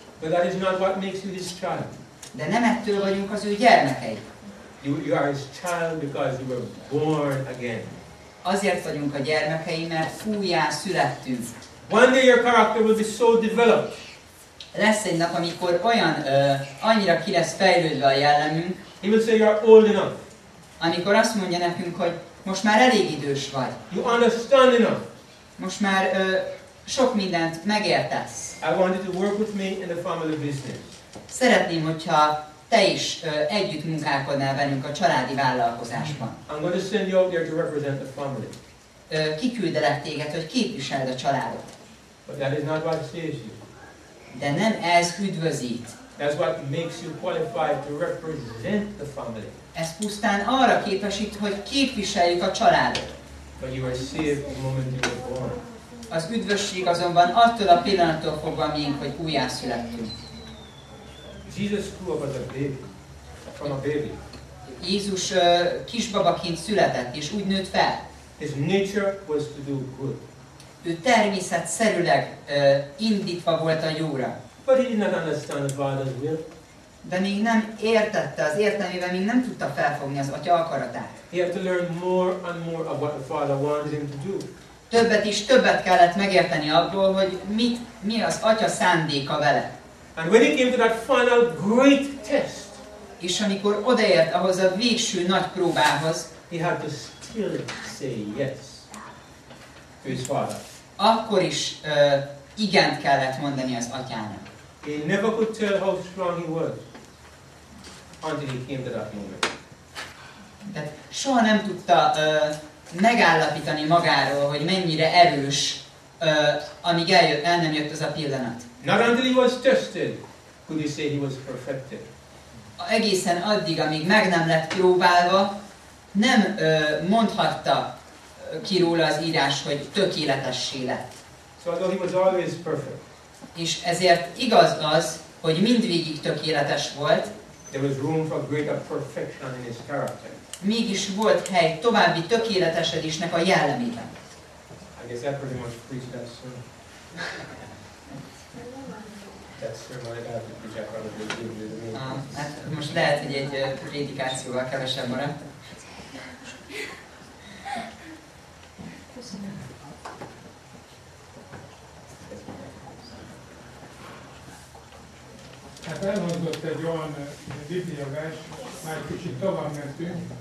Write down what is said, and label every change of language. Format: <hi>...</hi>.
<en>But that is not what makes you his child.</en> <hu>De nem ettől vagyunk az ő gyermekei.</hu> <en>You are his child because you were born again.</en> <hu>Azért vagyunk a gyermekei, mert újjá születtünk.</hu> <en>One day your character will be so developed.</en> <hu>Lesz egy nap, amikor olyan annyira ki lesz fejlődve a jellemünk.</hu> <en>He will say you are old enough.</en> <hu>Amikor azt mondja nekünk, hogy most már elég idős vagy.</hu> <en>You understand enough.</en> <hu>Most már sok mindent megértesz.</hu> <en>I want you to work with me in the family business.</en> <hu>Szeretném, hogyha te is együtt munkálkodnál velünk a családi vállalkozásban.</hu> <en>I'm going to send you out there to represent the family.</en> <hu>Kiküldelek téged, hogy képviseld a családot.</hu> <en>But that is not what saves you.</en> <hu>De nem ez üdvözít.</hu> <en>That's what makes you qualified to represent the family.</en> <hu>Ez pusztán arra képesít, hogy képviseljük a családot.</hu> <en>But you are saved the moment you were born.</en> <hu>Az üdvösség azonban attól a pillanattól fogva miénk, hogy újjászülettünk.</hu> <en>Jesus grew up as a baby, from a baby.</en> <hu>Jézus kisbabaként született, és úgy nőtt fel.</hu> <en>His nature was to do good.</en> <hu>Ő természetszerűleg indítva volt a jóra.</hu> <en>But he did not understand God's will.</en> <hu>De még nem értette az értelmével, még nem tudta felfogni az Atya akaratát.</hu> <en>He had to learn more and more of what the Father wanted him to do.</en> <hu>Többet is többet kellett megérteni abból, hogy mi az Atya szándéka vele.</hu> <en>And when he came to that final great test.</en> <hu>És amikor odaért ahhoz a végső nagy próbához,</hu> <en>he had to still say yes to his father.</en> <hu>Akkor is igent kellett mondani az atyának.</hu> <en>He never could tell how strong he was until he came to that moment.</en> <hu>Tehát soha nem tudta megállapítani magáról, hogy mennyire erős, amíg el nem jött az a pillanat.</hu> <en>Not until he was tested could he say he was perfected.</en> <hu>Egészen addig, amíg meg nem lett próbálva, nem mondhatta ki róla az írás, hogy tökéletessé lett.</hu> <en>So although he was always perfect.</en> <hu>És ezért igaz az, hogy mindvégig tökéletes volt.</hu> <en>There was room for greater perfection in his character.</en> <hu>Mégis volt hely további tökéletesedésnek a jellemében.</hu> <en>I guess that pretty much preached that sermon. That sermon I got to preach after the meeting.</en> <hu>Hát most lehet, hogy egy prédikációval kevesebb maradt. Hát elmondott egy olyan Biblia vers, már kicsit tovább mentünk,</hu>